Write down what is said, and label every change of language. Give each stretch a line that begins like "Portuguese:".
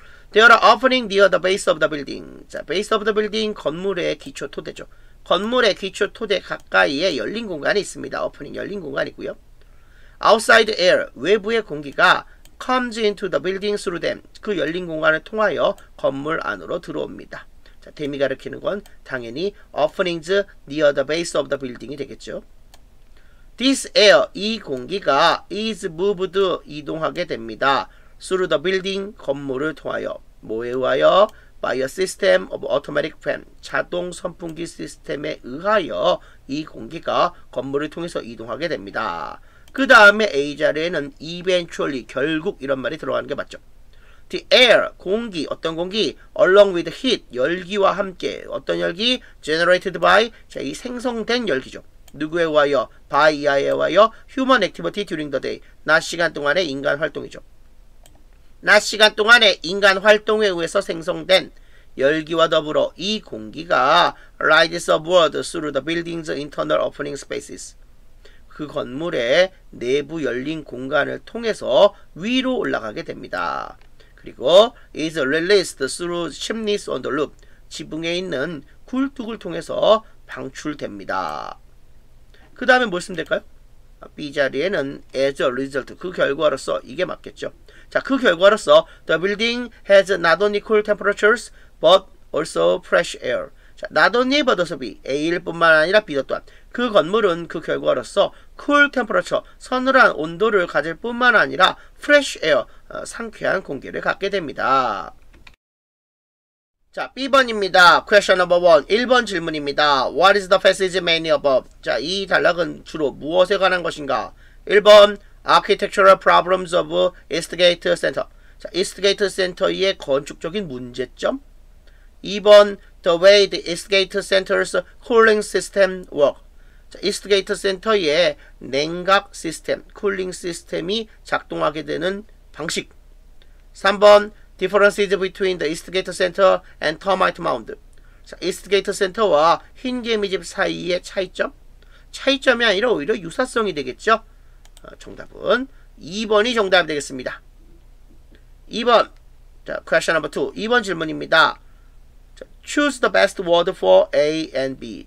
English: There are openings near the base of the building.
Korean: 자, base of the building 건물의 기초 토대죠. 건물의 기초 토대 가까이에 열린 공간이 있습니다. opening 열린 공간이고요.
English: outside air
Korean: 외부의 공기가
English: comes into the building through them.
Korean: 그 열린 공간을 통하여 건물 안으로 들어옵니다. 자, 댐이 가리키는 건 당연히
English: openings near the base of the building
Korean: 이 되겠죠.
English: This air,
Korean: 이 공기가
English: is moved,
Korean: 이동하게 됩니다.
English: Through the building,
Korean: 건물을 통하여. 뭐에 의하여?
English: By a system of automatic fan,
Korean: 자동 선풍기 시스템에 의하여 이 공기가 건물을 통해서 이동하게 됩니다. 그 다음에 A 자리에는 eventually, 결국 이런 말이 들어가는 게 맞죠.
English: The air,
Korean: 공기, 어떤 공기?
English: Along with heat,
Korean: 열기와 함께. 어떤 열기?
English: Generated by,
Korean: 자, 이 생성된 열기죠. 누구에 와요?
English: By,
Korean: 이하에 와요?
English: Human activity during the day.
Korean: 낮 시간 동안의 인간 활동이죠. 낮 시간 동안의 인간 활동에 의해서 생성된 열기와 더불어 이 공기가
English: rides upward through the building's internal opening spaces.
Korean: 그 건물의 내부 열린 공간을 통해서 위로 올라가게 됩니다. 그리고
English: is released through chimneys on the roof.
Korean: 지붕에 있는 굴뚝을 통해서 방출됩니다. 그 다음에 뭘 쓰면 될까요? B 자리에는
English: as a result,
Korean: 그 결과로서 이게 맞겠죠. 자, 그 결과로서
English: the building has not only cool temperatures but also fresh air.
Korean: 자,
English: not only but also B,
Korean: A일 뿐만 아니라 B도 또한 그 건물은 그 결과로서
English: cool temperature,
Korean: 서늘한 온도를 가질 뿐만 아니라
English: fresh air,
Korean: 상쾌한 공기를 갖게 됩니다. 자, B번입니다.
English: Question number 1.
Korean: 1번 질문입니다.
English: What is the passage mainly about?
Korean: 자, 이 단락은 주로 무엇에 관한 것인가?
English: 1번, architectural problems of Eastgate Center.
Korean: 자, Eastgate Center의 건축적인 문제점.
English: 2번, the way the Eastgate Center's cooling system work.
Korean: 자, Eastgate Center의 냉각 시스템, cooling 시스템이 작동하게 되는 방식.
English: 3번, differences between the Eastgate Center and Termite Mound.
Korean: 자, Eastgate Center와 흰개미집 사이의 차이점? 차이점이 아니라 오히려 유사성이 되겠죠? 정답은 2번이 정답이 되겠습니다.
English: 2번. 자, question number 2.
Korean: 2번 질문입니다.
English: 자, choose the best word for A and B.